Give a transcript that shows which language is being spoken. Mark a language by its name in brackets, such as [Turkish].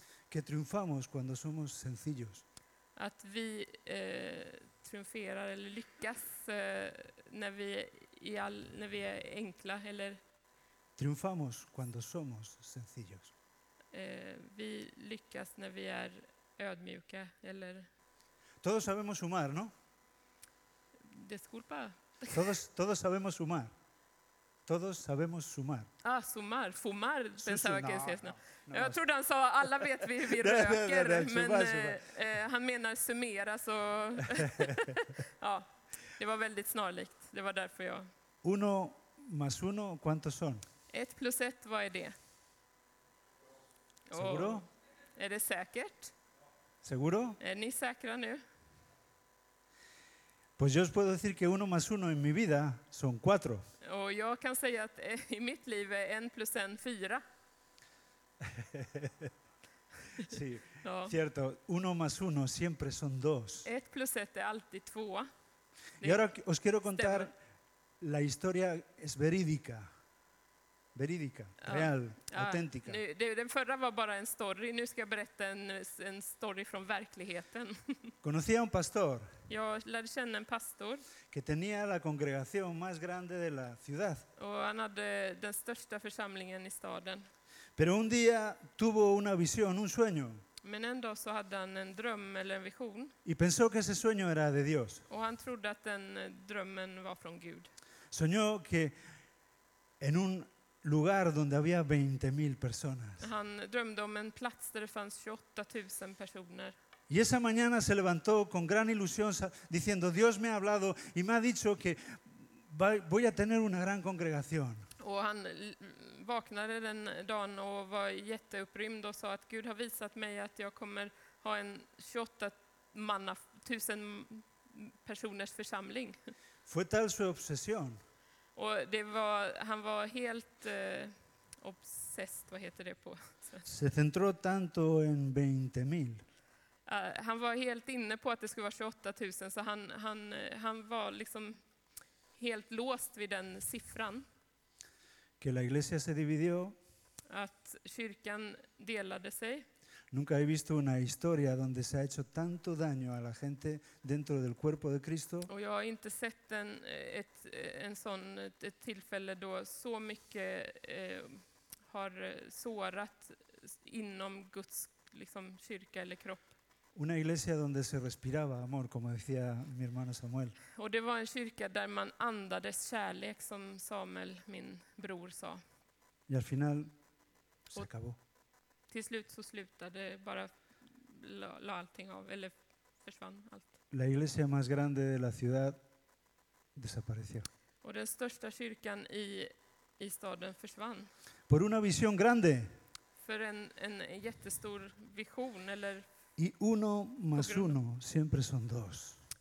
[Spanish] Que triunfamos cuando somos sencillos. [Swedish] Att vi triumferar eller lyckas när vi är enkla eller [Spanish] triumfamos cuando somos sencillos. [Swedish] Vi lyckas när vi är ödmjuka eller [Spanish] todos sabemos sumar, ¿no? Disculpa. Todos sabemos sumar. Todos sabemos sumar. Ah, sumar, fumar, pensaba que decías. No. [Swedish] Jag trodde han sa, alla vet vi röker, han menar summera, så ja, det var väldigt snarlikt, det var därför jag. [Spanish] Uno más uno, ¿cuántos son? [Swedish] Ett plus ett, vad är det? [Spanish] Seguro? [Swedish] Är det säkert? [Spanish] Seguro? [Swedish] Är ni säkra nu? [Spanish] Pues yo os puedo decir que uno más uno en mi vida son cuatro. [Swedish] Och jag kan säga att i mitt liv är en plus en fyra. [Spanish] Sí, ja. Cierto. Uno más uno siempre son dos. [Swedish] Ett plus ett är alltid två. [Spanish] Y ahora os quiero contar la historia es verídica. Verídica, ja. Real, ja. Auténtica. [Swedish] Den förra var bara en story. Nu ska jag berätta en story från verkligheten. [Spanish] Conocí a un pastor. [Swedish] Jag lärde känna en pastor. [Spanish] Que tenía la congregación más grande de la ciudad. [Swedish] Och han hade den största församlingen i staden. [Spanish] Pero un día tuvo una visión, un sueño. [Swedish] Men en dag så hade han en dröm eller en vision. [Spanish] Y pensó que ese sueño era de Dios. [Swedish] Och han trodde att den drömmen var från Gud. [Spanish] Soñó que en un lugar donde había 20.000 personas. [Swedish] Han drömde om en plats där det fanns 28.000 personer. [Spanish] Y esa mañana se levantó con gran ilusión diciendo, Dios me ha hablado y me ha dicho que voy a tener una gran congregación. [Swedish] Och han vaknade den dagen och var jätteupprymd och sa att Gud har visat mig att jag kommer ha en 28.000 personers församling. [Spanish] Fue tal su obsesión. [Swedish] Och det var, han var helt obsessed, vad heter det på? [Spanish] Se centró tanto en 20.000. [Swedish] Han var helt inne på att det skulle vara 28.000, så han var liksom helt låst vid den siffran. [Spanish] Que la iglesia se dividió. [Swedish] Att kyrkan delade sig. [Spanish] Nunca he visto una historia donde se ha hecho tanto daño a la gente dentro del cuerpo de Cristo. [Swedish] Och jag har inte sett ett tillfälle då så mycket har sårat inom Guds liksom kyrka eller kropp. [Spanish] Una iglesia donde se respiraba amor, como decía mi hermano Samuel. [Swedish] Och det var en kyrka där man andades kärlek, som Samuel, min bror, sa. [Spanish] Y al final se acabó. [Swedish] Till slut så slutade bara la allting av, eller försvann allt. [Spanish] La iglesia más grande de la ciudad desapareció. [Swedish] Och den största kyrkan i staden försvann. [Spanish] Por una visión grande. [Swedish] För en jättestor vision eller. [Spanish] Y uno más uno siempre son dos.